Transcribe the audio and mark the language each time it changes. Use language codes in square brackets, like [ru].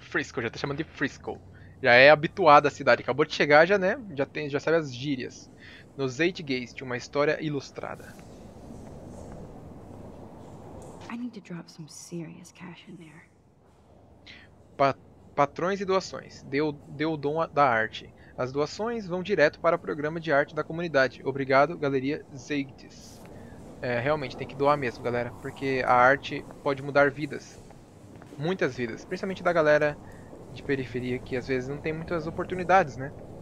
[pt] Frisco, já tá chamando de Frisco. Já é habituada a cidade. Acabou de chegar, já, né? Já tem, já sabe as gírias. Nos Zeitgeist, uma história ilustrada. [en] I need to drop some serious cash in there. [pt] Patrões e doações. Deu o dom da arte. As doações vão direto para o programa de arte da comunidade. Obrigado, Galeria Zeitgeist. Realmente, tem que doar mesmo, galera. Porque a arte pode mudar vidas. Muitas vidas, principalmente da galera de periferia que às vezes não tem muitas oportunidades, né?